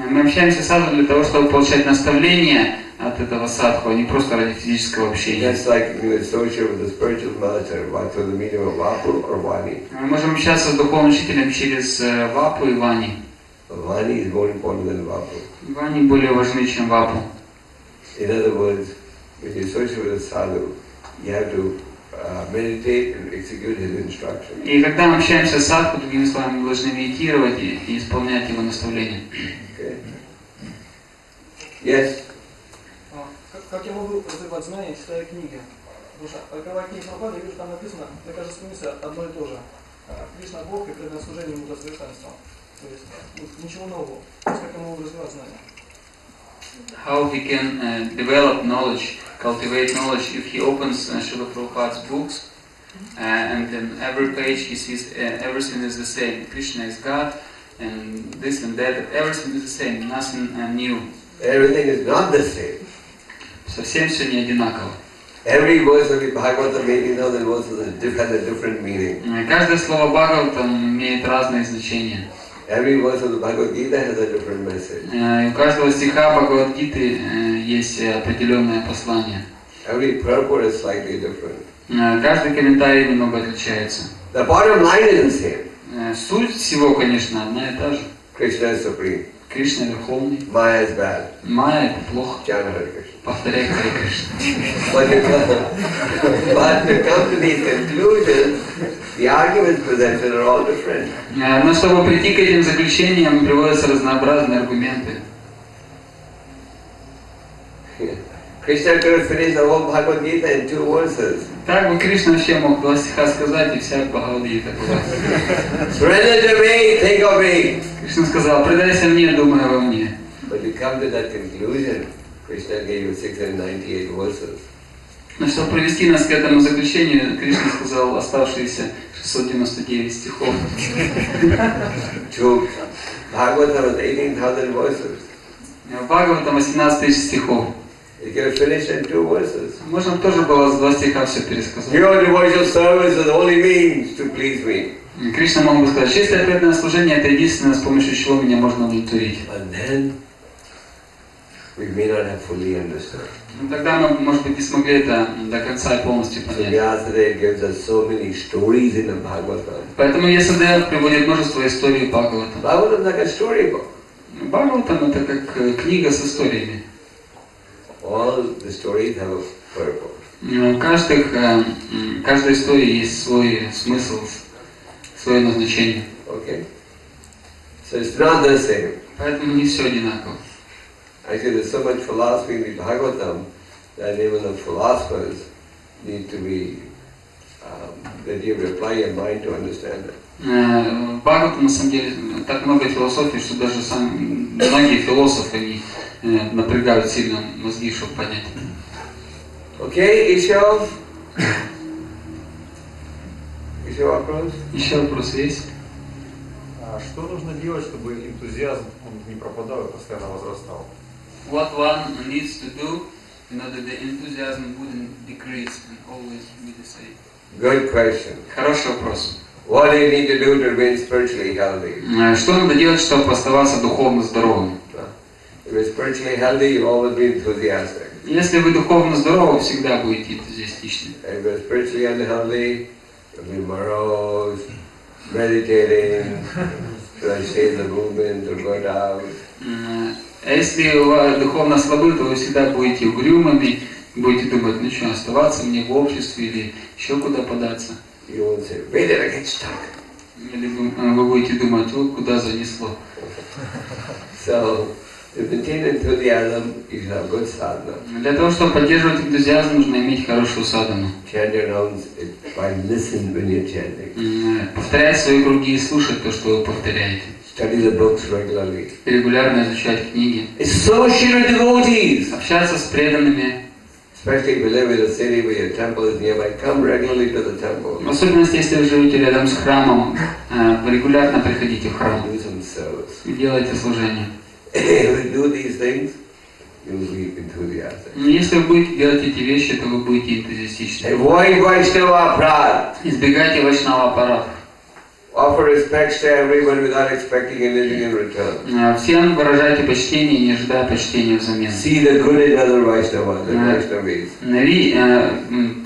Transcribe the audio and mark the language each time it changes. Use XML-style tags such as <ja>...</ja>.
<ru>Мы общаемся с садху для того, чтобы получать наставления от этого садху, а не просто ради физического общения.</ru> <en>Just like we associate with the spiritual master through the medium of Vapu or Vani.</en> <ru>Мы можем общаться с духовным учителем через Вапу и Вани.</ru> <en>Vani is more important than Vapu.</en> <ru>Вани более важны, чем Вапу.</ru> <en>In other words, when you associate with the sadhu, you have to meditate and execute his instructions.</en> <ru>И когда мы общаемся с садху, другими словами, мы должны медитировать и исполнять его наставления.</ru> <en>Okay. Yes.</en> <ru>Как я могу развивать знания, читая книги? Потому что Бхагавад Гита, там написано, мне кажется, смысл одно и то же. Кришна Бог и преданное служение ему совершенство. То есть ничего нового. То есть как я могу развивать знания?</ru> <en>How he can develop knowledge, cultivate knowledge, if he opens Srila Prabhupada's books and then every page he sees everything is the same. Krishna is God and this and that, everything is the same, nothing new. Everything is not the same.</en> <ru>Совсем все не одинаково.</ru> <en>Every verse of the Bhagavatam may be known that verse has a different meaning.</en> <ru>Каждое слово Бхагаватам имеет разное значение.</ru> <en>Every verse of the Bhagavad Gita has a different message.</en> <ru>У каждого стиха Бхагавад Гиты есть определенное послание.</ru> <en>Every purport is slightly different.</en> <ru>Каждый комментарий немного отличается.</ru> <en>The bottom line is the same.</en> <ru>Суть всего, конечно, одна и та же.</ru> <en>Krishna is supreme.</en> <ru>Кришна верховный.</ru> <en>Майя is bad.</en> <ru>Майя плохо.</ru> <en>Generally</en> <ru>Кришна. Повторяй Харе Кришна.</ru> <en>But to come to these conclusions, the arguments presented are all different.</en> <ru>Но чтобы прийти к этим заключениям, приводятся разнообразные аргументы.</ru> <en>Krishna could have finished the whole Bhagavad Gita in two verses.</en> <ru>Так бы Кришна вообще мог два стиха сказать и вся Бхагавад Гита была.</ru> <en>Surrender to me, think of me.</en> <ru>Кришна сказал: предайся мне, думай обо мне.</ru> <en>But to come to that conclusion, Krishna gave you 698 verses.</en> <ru>Но чтобы привести нас к этому заключению, Кришна сказал оставшиеся 699 стихов.</ru> <en>Took Bhagavatam 18,000 verses.</en> <ru>Bhagavatam 18,000 стихов.</ru> <en>You can finish in two verses.</en> <ru>Можно тоже было с два стиха все пересказать.</ru> <en>Your devotional service is the only means to please me.</en> <ru>Кришна мог бы сказать: чистое преданное служение — это единственное, с помощью чего меня можно удовлетворить.</ru> <en>And then we may not have fully understood.</en> <ru>Ну тогда мы, может быть, не смогли это до конца и полностью понять.</ru> <en>Yasudeva gives us so many stories in the Bhagavatam.</en> <ru>Поэтому Yasudeva приводит множество историй в Бхагаватам.</ru> <en>Bhagavatam like a storybook.</en> <ru>Бхагаватам — это как книга с историями.</ru> <en>All the stories have a purpose.</en> <ru>У каждых, каждой истории есть свой смысл, свое назначение.</ru> <en>Okay. So it's not the same.</en> <ru>Поэтому не все одинаково.</ru> <en>Actually, there's so much philosophy in the Bhagavatam that even the philosophers need to be, that you apply your mind to understand it.</en> <ru>Бхагаватам, на самом деле, так много философии, что даже сам многие философы не напрягают сильно мозги, чтобы понять это. Окей, еще вопрос есть? А что нужно делать, чтобы энтузиазм он не пропадал и постоянно возрастал?</ru> <en>What one needs to do in order the enthusiasm wouldn't decrease and always be the same? Good question.</en> <ru>Хороший вопрос.</ru> <en>What do you need to do to remain spiritually healthy?</en> <ru>Что надо делать, чтобы оставаться духовно здоровым?</ru> <en>If you're spiritually healthy, you'll always be enthusiastic.</en> <ru>Если вы духовно здоровы, всегда будете энтузиастичны.</ru> <en>If you're spiritually unhealthy, you'll be morose, meditating, trying to change the movement or go down.</en> <ru>Если у вас духовно слабы, то вы всегда будете угрюмыми, будете думать, ну что, оставаться мне в обществе или еще куда податься.</ru> <en>You won't say, where did I get stuck?</en> <ru>Или вы будете думать, вот куда занесло.</ru> <en>So, to maintain enthusiasm, you should have good sadhana.</en> <ru>Для того, чтобы поддерживать энтузиазм, нужно иметь хорошую садхану.</ru> <en>Chant your rounds by listening when you're chanting.</en> <ru>Повторять свои круги и слушать то, что вы повторяете.</ru> <en>Study the books regularly.</en> <ru>Регулярно изучать книги.</ru> <en>Associate with devotees.</en> <ru>Общаться с преданными.</ru> <en>Especially if you live in a city where your temple is nearby, come regularly to the temple.</en> <ru>В особенности, если вы живете рядом с храмом, регулярно приходите в храм.</ru> <en>Do some service.</en> <ru>И делайте служение.</ru> <en>If you do these things, you will be enthusiastic.</en> <ru>Если вы будете делать эти вещи, то вы будете энтузиастичны.</ru> <en>Avoid Vaishnava aparat.</en> <ru>Избегайте Vaishnava aparat.</ru> <en>Offer respects to everyone without expecting anything in return.</en> <ru>Всем выражайте почтение, не ожидая почтения взамен.</ru> <en>See the good in other Vaishnavas.</en>